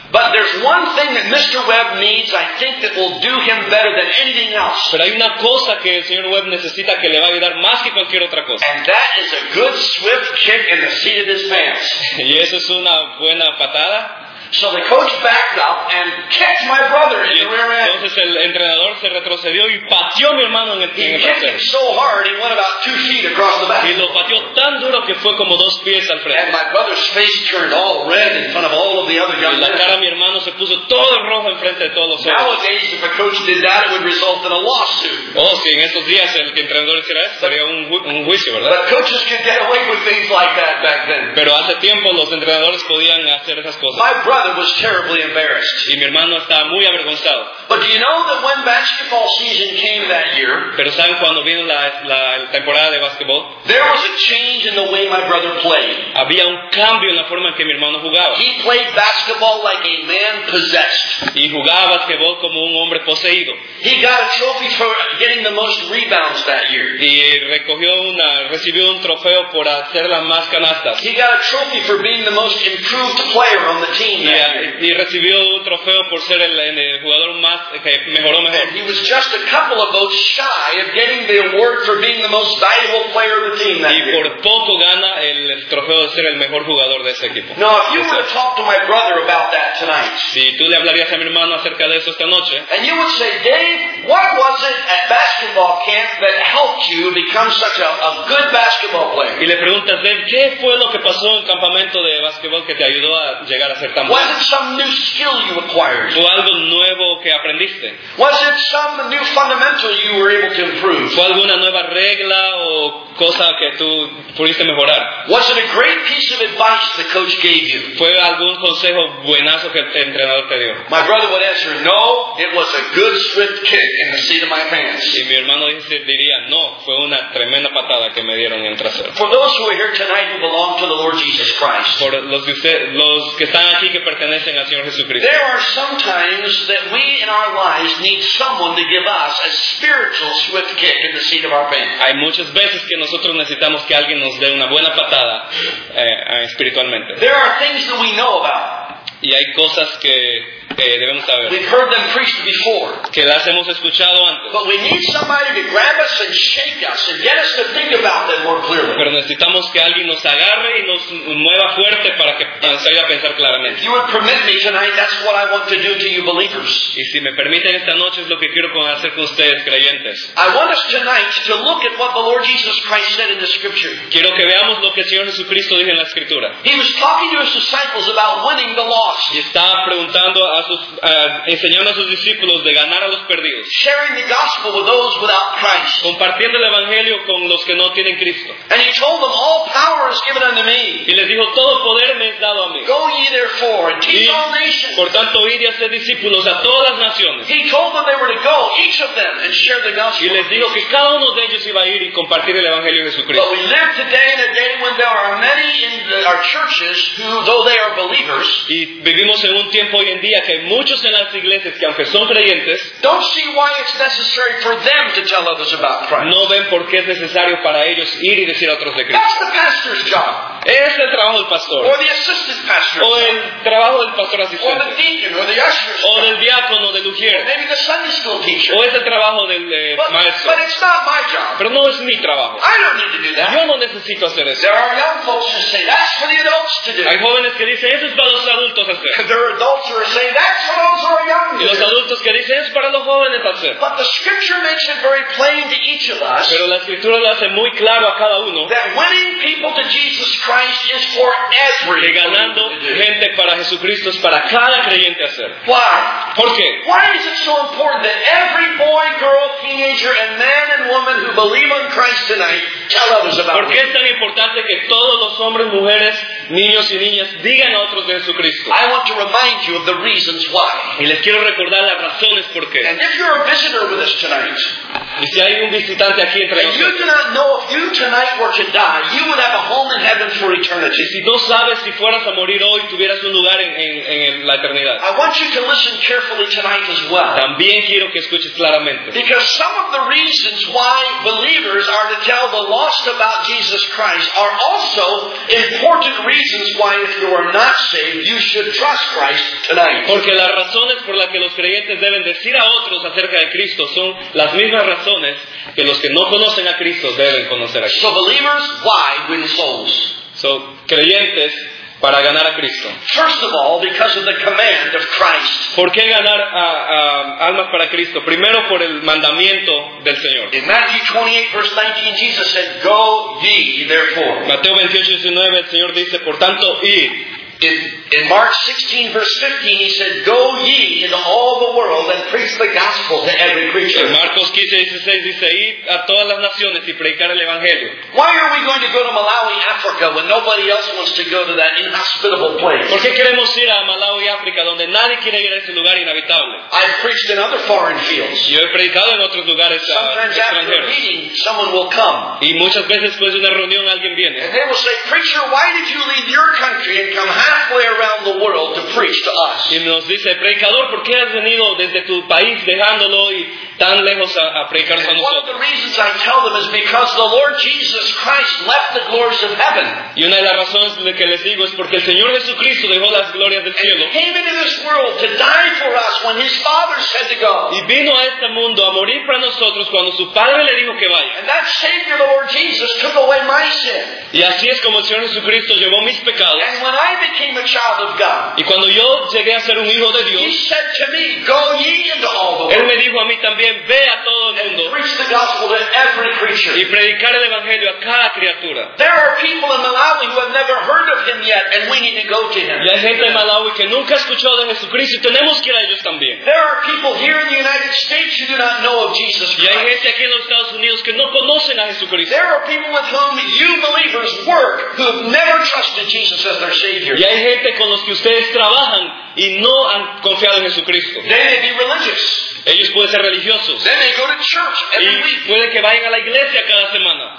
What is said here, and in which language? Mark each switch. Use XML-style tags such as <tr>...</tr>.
<en>But there's one thing that Mr. Webb needs, I think, that will do him better than anything else.</en> <es>Pero hay una cosa que el señor Webb necesita que le va a ayudar más que cualquier otra cosa.</es> <en>And that is a good swift kick in the seat of his pants.</en> <es>Y eso es una buena patada.</es> <en>So the coach backed up and kicked my brother in the rear end.</en> <es>Entonces el entrenador se retrocedió y pateó a mi hermano en el trasero.</es> <en>He kicked him so hard he went about 2 feet across the back.</en> <es>Y lo pateó tan duro que fue como 2 pies al frente.</es> <en>And my brother's face turned all red in front of all of the other young men.</en> <es>La cara de mi hermano se puso todo rojo en frente de todos los otros.</es> <en>Nowadays, if a coach did that, it would result in a lawsuit.</en> <es>Oh, sí, en esos días el entrenador hiciera eso sería un juicio, ¿verdad?</es> <en>But coaches could get away with things like that back then.</en> <es>Pero hace tiempo los entrenadores podían hacer esas cosas.</es> <en>Was terribly embarrassed.</en> <es>Y mi hermano estaba muy avergonzado.</es> <en>But do you know that when basketball season came that year,</en> <es>pero saben cuando vino la temporada de basketball,</es> <en>there was a change in the way my brother played.</en> <es>Había un cambio en la forma en que mi hermano jugaba.</es> <en>He played basketball like a man possessed.</en> <es>Y jugaba basketball como un hombre poseído.</es> <en>He got a trophy for getting the most rebounds that year.</en> <es>Y recibió un trofeo por hacer las más canastas.</es> <en>He got a trophy for being the most improved player on the team.</en> <es>Y recibió un trofeo por ser el jugador más que mejoró.</es> <en>He was just a couple of votes shy of getting the award for being the most valuable player of the team that year.</en> <es>Y por poco gana el trofeo de ser el mejor jugador de ese equipo.</es> <en>Now, if you were to talk to my brother about that tonight,</en> <es>si tú le hablarías a mi hermano acerca de eso esta noche,</es> <en>and you would say, "Dave, what was it at basketball camp that helped you become such a good basketball player?"</en> <es>Y le preguntas, "Dave, ¿qué fue lo que pasó en el campamento de basketball que te ayudó a llegar a ser tan bueno?</es> <en>Was it some new skill you acquired?</en> <es>¿Fue algo nuevo que aprendiste?</es> <en>Was it some new fundamental you were able to improve?</en> <es>¿Fue alguna nueva regla o cosa que tú pudiste mejorar?</es> <en>Was it a great piece of advice the coach gave you?</en> <es>¿Fue algún consejo buenazo que el entrenador te dio?"</es> <en>My brother would answer, "No, it was a good swift kick in the seat of my pants."</en> <es>Y mi hermano diría, "No, fue una tremenda patada que me dieron en trasero."</es> <en>For those who are here tonight who belong to the Lord Jesus Christ,</en> <es>por los que están aquí que pertenecen al Señor Jesucristo,</es> <en>there are some times that we in our lives need someone to give us a spiritual swift kick in the seat of our pants.</en> <es>Hay muchas veces que nosotros necesitamos que alguien nos dé una buena patada espiritualmente.</es> <en>There are things that we know about.</en> <es>Y hay cosas que debemos saber.</es> <en>We've heard them preached before.</en> <es>Que las hemos escuchado antes.</es> <en>But we need somebody to grab us and shake us and get us to think about them more clearly.</en> <es>Pero necesitamos que alguien nos agarre y nos mueva fuerte para que nos ayude a pensar claramente.</es> <en>If you would permit me tonight, that's what I want to do to you believers.</en> <es>Y si me permiten esta noche es lo que quiero hacer con ustedes creyentes.</es> <en>I want us tonight to look at what the Lord Jesus Christ said in the Scripture.</en> <es>Quiero que veamos lo que el Señor Jesucristo dijo en la Escritura.</es> <en>He was talking to his disciples about winning the lost.</en> <es>Y estaba preguntando a enseñando a sus discípulos de ganar a los perdidos,</es> <en>sharing the gospel with those without Christ,</en> <es>compartiendo el evangelio con los que no tienen Cristo.</es> <en>And he told them, "All power is given unto me."</en> <es>Y les dijo, "Todo poder me es dado a mí."</es> <en>"Go ye therefore and teach all nations."</en> <es>Por tanto, id y haced discípulos a todas las naciones.</es> <en>He told them they were to go, each of them, and share the gospel.</en> <es>Y les dijo que cada uno de ellos iba a ir y compartir el evangelio de Jesucristo.</es> <en>But we live today in a day when there are many in our churches who, though they are believers,</en> <es>y vivimos en un tiempo hoy en día que muchos en las iglesias que aunque son creyentes,</es> <en>don't see why it's necessary for them to tell others about Christ.</en> <es>No ven por qué es necesario para ellos ir y decir a otros de Cristo.</es> <en>That's the pastor's job.</en> <es>Es el trabajo del pastor.</es> <en>Or the assistant pastor.</en> <es>O el trabajo del pastor asistente.</es> <en>Or the deacon, or the usher's job.</en> <es>O del diácono, del ujier.</es> <en>Or maybe the Sunday school teacher.</en> <es>O es el trabajo del maestro.</es> <en>But it's not my job.</en> <es>Pero no es mi trabajo.</es> <en>I don't need to do that.</en> <es>Yo no necesito hacer eso.</es> <en>There are young folks who say that's for the adults to do.</en> <es>Hay jóvenes que dicen eso es para los adultos hacer.</es> <en>There are adults who are saying that That's for those who are younger.</en> <es>Y los adultos que dicen es para los jóvenes, pastor.</es> <en>But the scripture makes it very plain to each of us.</en> <es>Pero la escritura lo hace muy claro a cada uno.</es> <en>That winning people to Jesus Christ is for every.</en> <es>Que ganando gente para Jesucristo es para cada creyente hacer.</es> <en>Why?</en> <es>¿Por qué?</es> <en>Why is it so important that every boy, girl, teenager, and man and woman who believe on Christ tonight tell others about it?</en> <es>¿Por qué es tan importante que todos los hombres, mujeres, niños y niñas digan a otros de Jesucristo?</es> <en>I want to remind you of the reasons why.</en> <es>Y les quiero recordar las razones por qué.</es> <en>And if you're a visitor with us tonight,</en> <es>y si hay un visitante aquí entre nosotros,</es> <en>you do not know if you tonight were to die, you would have a home in heaven for eternity.</en> <es>Y si no sabes si fueras a morir hoy, tuvieras un lugar en la eternidad.</es> <en>I want you to listen carefully tonight as well.</en> <es>También quiero que escuches claramente.</es> <en>Because some of the reasons why believers are to tell the lost about Jesus Christ are also important reasons why if you are not saved, you should trust Christ tonight.</en> <es>Porque las razones por las que los creyentes deben decir a otros acerca de Cristo son las mismas razones que los que no conocen a Cristo deben conocer a Cristo.</es> <en>So believers, why win souls?</en> <es>So, creyentes, para ganar a Cristo.</es> <en>First of all, because of the command of Christ.</en> <es>¿Por qué ganar almas para Cristo? Primero por el mandamiento del Señor.</es> <en>In Matthew 28, verse 19, Jesus said, "Go ye therefore."</en> <es>Mateo 28, 19, el Señor dice, "Por tanto, id."</es> <en>In Mark 16, verse 15, he said, "Go ye into all the world and preach the gospel to every creature."</en> <es>Marcos 15, 16, dice, "Id a todas las naciones y predicar el evangelio."</es> <en>Why are we going to go to Malawi, Africa, when nobody else wants to go to that inhospitable place?</en> <es>¿Por qué queremos ir a Malawi, África, donde nadie quiere ir a ese lugar inhabitable?</es> <en>I've preached in other foreign fields.</en> <es>Yo he predicado en otros lugares extranjeros.</es> <en>Sometimes after a meeting, someone will come.</en> <es>Y muchas veces después de una reunión alguien viene.</es> <en>And they will say, "Preacher, why did you leave your country and come halfway around the world to preach to us?"</en> <es>Y nos dice, "Predicador, ¿por qué has venido desde tu país dejándolo y tan lejos a predicar con nosotros?"</es> <en>One of the reasons I tell them is because the Lord Jesus Christ left the glories of heaven.</en> <es>Y una de las razones de que les digo es porque el Señor Jesucristo dejó las glorias del cielo.</es> <en>He came into this world to die for us when his father said to go.</en> <es>Y vino a este mundo a morir para nosotros cuando su padre le dijo que vaya.</es> <en>And that Savior, the Lord Jesus, took away my sin.</en> <es>Y así es como el Señor Jesucristo llevó mis pecados.</es> <en>And when I became a child of God,</en> <es>y cuando yo llegué a ser un hijo de Dios,</es> <en>he said to me, "Go ye into all the world."</en> <es>Él me dijo a mí también, "Ve a todo el mundo</es> <en>and preach the gospel to every creature."</en> <es>Y predicar el evangelio a cada criatura.</es> <en>There are people in Malawi who have never heard of him yet, and we need to go to him.</en> <es>Y hay gente en Malawi que nunca ha escuchado de Jesucristo, y tenemos que ir a ellos también.</es> <en>There are people here in the United States who do not know of Jesus Christ.</en> <es>Y hay gente aquí en los Estados Unidos que no conocen a Jesucristo.</es> <en>There are people with whom you believers work who have never trusted Jesus as their Savior.</en> <es>Y hay gente con los que ustedes trabajan y no han confiado en Jesucristo.</es> <en>They may be religious.</en> <es>Ellos pueden ser religiosos.</es> <en>Then they go to church every</en> <es>y</es> <en>week.</en> <es>Puede que vayan a la iglesia cada semana.</es>